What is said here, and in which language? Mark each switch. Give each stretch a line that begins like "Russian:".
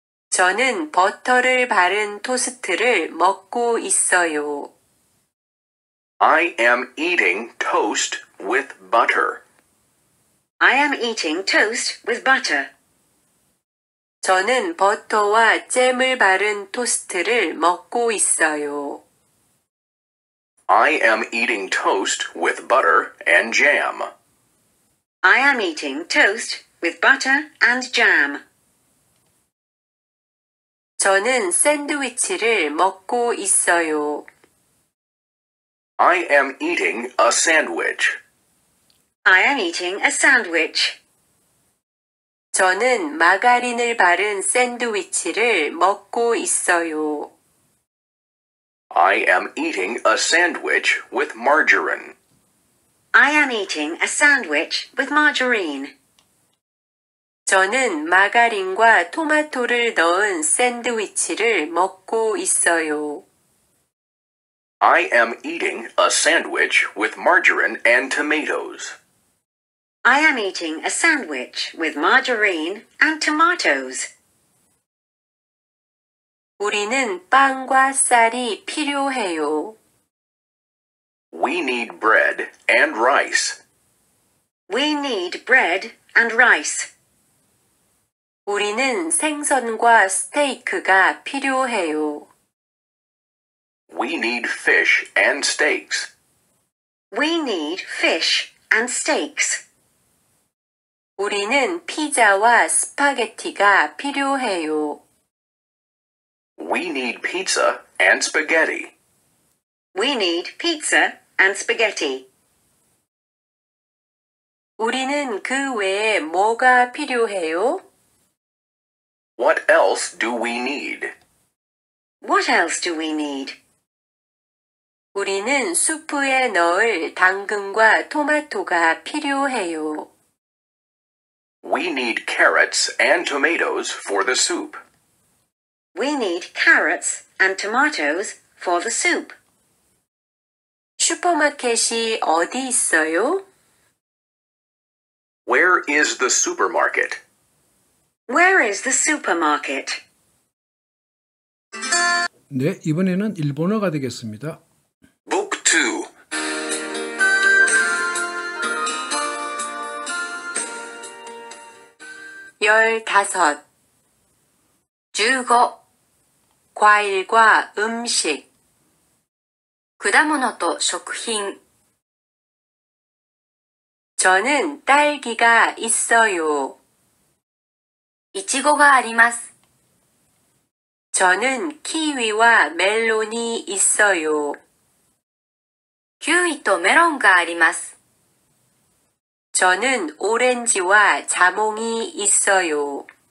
Korean: 저는 버터를 바른 토스트를 먹고 있어요.
English: I am eating toast with butter. I am eating toast with butter.
Korean: 저는 버터와 잼을 바른 토스트를 먹고 있어요.
English: I am eating toast with butter and jam. I am eating toast with butter and jam.
Korean: 저는 샌드위치를 먹고 있어요.
English: I am eating a sandwich. I am eating a sandwich.
Korean: 저는 마가린을 바른 샌드위치를 먹고 있어요.
English: I am eating a sandwich with margarine. I am eating a sandwich with margarine.
Korean: 저는 마가린과 토마토를 넣은 샌드위치를 먹고 있어요.
English: I am eating a sandwich with margarine and tomatoes. I am eating a sandwich with margarine and tomatoes.
Korean: 우리는 빵과 쌀이 필요해요.
English: We need bread and rice. We need bread and rice.
Korean: 우리는 생선과 스테이크가 필요해요.
English: We need fish and steaks. We need fish and steaks.
Korean: 우리는 피자와 스파게티가 필요해요.
English: We need pizza and spaghetti. We need pizza and spaghetti.
Korean: 우리는 그 외에 뭐가 필요해요?
English: What else do we need? What else do we need?
Korean: 우리는 수프에 넣을 당근과 토마토가 필요해요.
English: We need carrots and tomatoes for the soup. We need carrots and tomatoes for the soup.
Korean: 슈퍼마켓이 어디 있어요?
English: Where is the supermarket? Where is the supermarket?
Korean: 네, 이번에는 일본어가 되겠습니다.
English: Book 2. 15. 15.
Korean: 과일과 음식.
Japanese: 果物と食品.
Korean: 저는 딸기가 있어요.
Japanese: いちごがあります.
Korean: 저는 키위와 멜론이 있어요.
Japanese: キウイとメロンがあります.
Korean: 저는 오렌지와 자몽이 있어요.